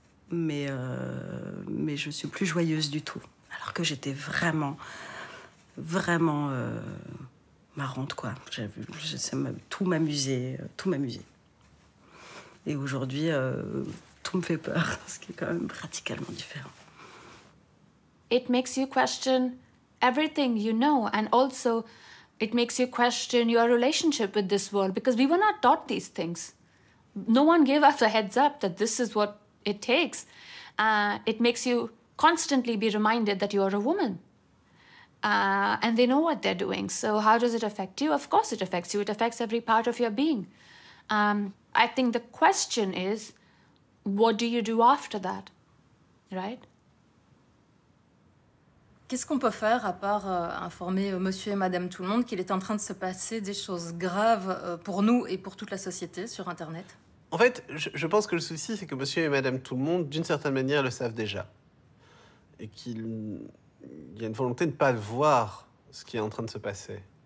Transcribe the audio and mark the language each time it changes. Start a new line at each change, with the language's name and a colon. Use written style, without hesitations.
French: Mais je suis plus joyeuse du tout. Alors que j'étais vraiment, vraiment marrante, quoi. Tout m'amusait. Et aujourd'hui... Tout me fait peur, ce qui est quand même radicalement différent.
English: It makes you question everything you know, and also it makes you question your relationship with this world, because we were not taught these things. No one gave us a heads up that this is what it takes. It makes you constantly be reminded that you are a woman, and they know what they're doing. So how does it affect you? Of course it affects you. It affects every part of your being. I think the question is, what do you do after that, right?
French: Qu'est-ce qu'on peut faire à part informer monsieur et madame tout le monde qu'il est en train de se passer des choses graves pour nous et pour toute la société sur Internet? En fait, je pense que le souci, c'est que monsieur et madame tout le monde, d'une certaine manière, le savent déjà. Et qu'il y a une volonté de ne pas voir ce qui est en train de se passer.